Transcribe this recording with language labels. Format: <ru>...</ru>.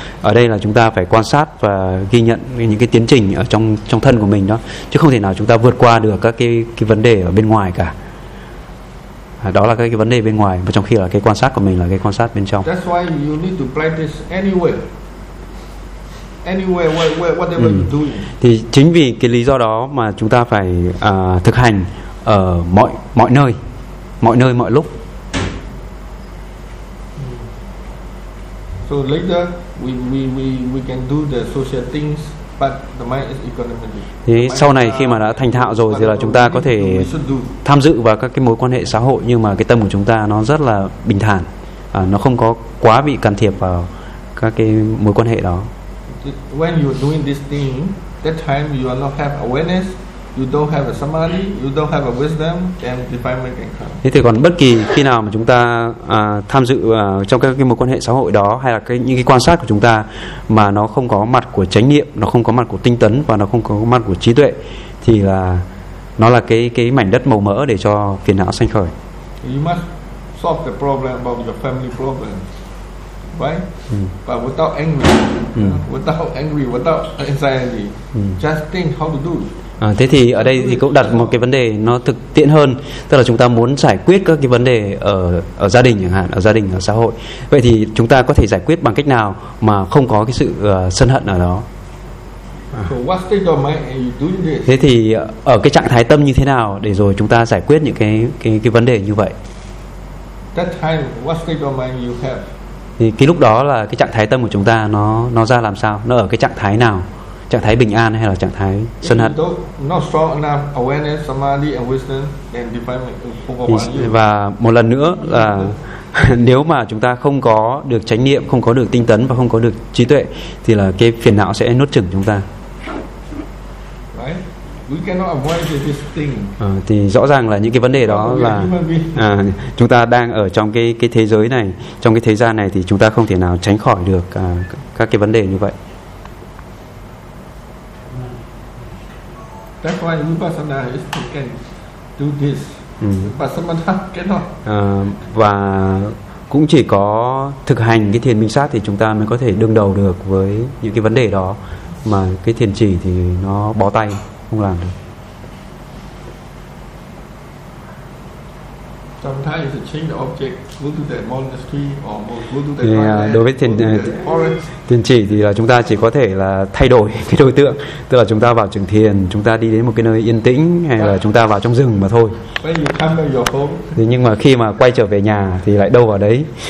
<vi>Ở đây là chúng ta phải quan sát và ghi nhận những cái tiến trình ở trong trong thân của mình đó, chứ không thể nào chúng ta vượt qua được các cái vấn đề ở bên ngoài cả. Đó là cái vấn đề bên ngoài, và trong khi là cái quan sát của mình là cái quan sát bên trong.</vi> <en>That's why you need to practice anywhere, whatever you do.</en> <vi>Thì chính vì cái lý do đó mà chúng ta phải thực hành ở mọi nơi mọi lúc.</vi> <en>So later we can do the social things, but the mind is economical.</en> <vi>Thì sau này khi mà đã thành thạo rồi thì là chúng ta có thể tham dự vào các cái mối quan hệ xã hội, nhưng mà cái tâm của chúng ta nó rất là bình thản, nó không có quá bị can thiệp vào các cái mối quan hệ đó.</vi> <en>When you're doing this thing, that time you are not have awareness, you don't have a samadhi, you don't have a wisdom, then defilement can come.</en> <vi>Thế thì còn bất kỳ khi nào mà chúng ta tham dự trong các cái mối quan hệ xã hội đó, hay là cái những cái quan sát của chúng ta mà nó không có mặt của chánh niệm, nó không có mặt của tinh tấn, và nó không có mặt của trí tuệ, thì là nó là cái mảnh đất màu mỡ để cho phiền não sanh khởi.</vi> <en>You must solve the problem about your family problem. Right? But without angry, without anxiety, just think how to do.</en> <vi>Thế thì ở đây thì cũng đặt một cái vấn đề nó thực tiễn hơn, tức là chúng ta muốn giải quyết các cái vấn đề ở gia đình chẳng hạn, ở gia đình, ở xã hội. Vậy thì chúng ta có thể giải quyết bằng cách nào mà không có cái sự sân hận ở đó?</vi> <en>So what state of mind you doing this?</en> <vi>Thế thì ở cái trạng thái tâm như thế nào để rồi chúng ta giải quyết những cái vấn đề như vậy?</vi> <en>That time, what state of mind you have?</en> <vi>Thì cái lúc đó là cái trạng thái tâm của chúng ta nó ra làm sao, nó ở cái trạng thái nào, trạng thái bình an hay là trạng thái sân hận?</vi> <en>Not strong enough awareness, samadhi and wisdom, then defilement.</en> <vi>Và một lần nữa là nếu mà chúng ta không có được chánh niệm, không có được tinh tấn và không có được trí tuệ, thì là cái phiền não sẽ nuốt chửng chúng ta.</vi> <en>We cannot avoid this thing.</en> <vi>Thì rõ ràng là những cái vấn đề đó là chúng ta đang ở trong cái thế giới này, trong cái thế gian này, thì chúng ta không thể nào tránh khỏi được các cái vấn đề như vậy.</vi> <en>That's why vipassana is to can do this. But samatha cannot.</en> <vi>Và cũng chỉ có thực hành cái thiền minh sát thì chúng ta mới có thể đương đầu được với những cái vấn đề đó, mà cái thiền chỉ thì nó bó tay, không làm được.</vi> <en>Sometimes you change the object, go to the monastery or go to the forest.</en> <vi>Đối với thiền chỉ thì là chúng ta chỉ có thể là thay đổi cái đối tượng, tức là chúng ta vào trường thiền, chúng ta đi đến một cái nơi yên tĩnh, hay là chúng ta vào trong rừng mà thôi.</vi> <en>When you come back your home.</en> <vi>Thì nhưng mà khi mà quay trở về nhà thì lại đâu vào đấy.</vi>